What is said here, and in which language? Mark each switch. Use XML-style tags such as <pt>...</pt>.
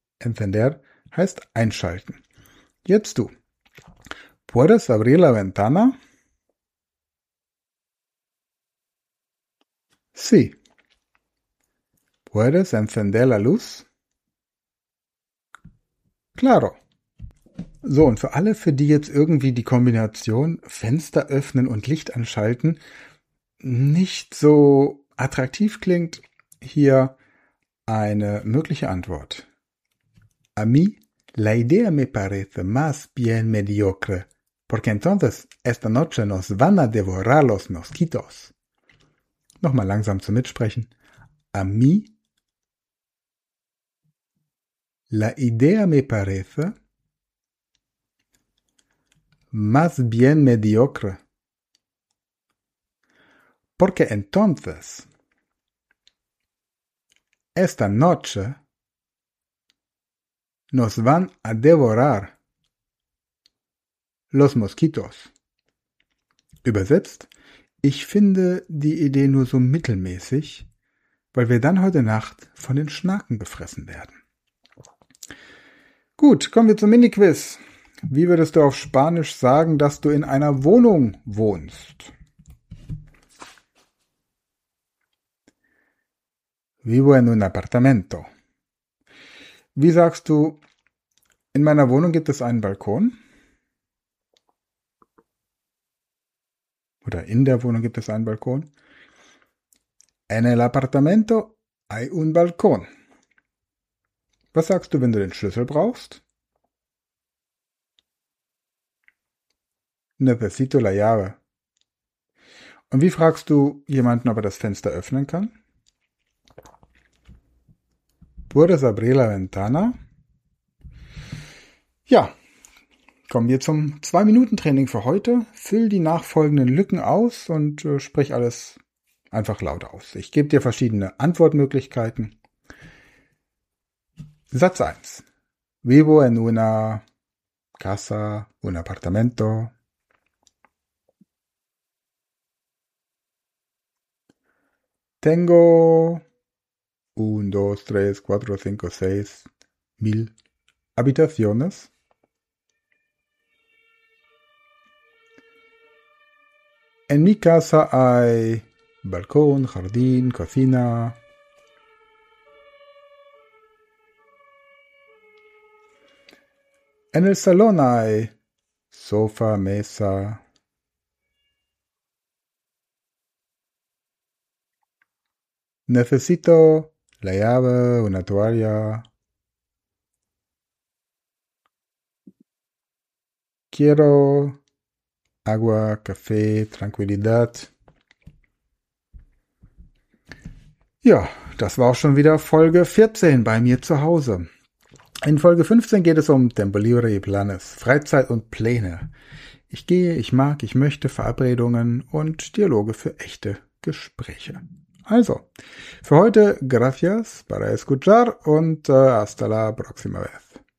<de>Encender heißt einschalten. Jetzt du.</de> <es>¿Puedes abrir la ventana? Sí. ¿Puedes encender la luz? Claro.</es> <de>So, und für alle, für die jetzt irgendwie die Kombination Fenster öffnen und Licht anschalten nicht so attraktiv klingt, hier eine mögliche Antwort.</de> <es>A mí, la idea me parece más bien mediocre, porque entonces esta noche nos van a devorar los mosquitos.</es> <de>Nochmal langsam zum Mitsprechen.</de> <es>A mí, la idea me parece más bien mediocre. Porque entonces, esta noche, nos van a devorar los mosquitos.</es> <de>Übersetzt, ich finde die Idee nur so mittelmäßig, weil wir dann heute Nacht von den Schnaken gefressen werden. Gut, kommen wir zum Mini-Quiz. Wie würdest du auf Spanisch sagen, dass du in einer Wohnung wohnst?</de> <es>Vivo en un apartamento.</es> <de>Wie sagst du, in meiner Wohnung gibt es einen Balkon? Oder in der Wohnung gibt es einen Balkon?</de> <es>En el apartamento hay un balcón.</es> <de>Was sagst du, wenn du den Schlüssel brauchst?</de> <es>Necesito la llave.</es> <de>Und wie fragst du jemanden, ob er das Fenster öffnen kann?</de> <es>¿Puedes abrir la ventana?</es> <de>Ja, kommen wir zum 2-Minuten-Training für heute. Füll die nachfolgenden Lücken aus und sprich alles einfach laut aus. Ich gebe dir verschiedene Antwortmöglichkeiten. Satz 1.</de> <es>Vivo en una casa, un apartamento. Tengo 1, 2, 3, 4, 5, 6 mil habitaciones. En mi casa hay balcón, jardín, cocina. En el salón hay sofá, mesa. Necesito la llave, una toalla. Quiero agua, café, tranquilidad.</es> <de>Ja, das war auch schon wieder Folge 14 bei mir zu Hause. In Folge 15 geht es um</de> <es>Tempo Libre y Planes,</es> <de>Freizeit und Pläne. Ich gehe, ich mag, ich möchte Verabredungen und Dialoge für echte Gespräche. Also, für heute,</de> <es>gracias para escuchar</es> <de>und</de> <es>hasta la próxima vez.</es>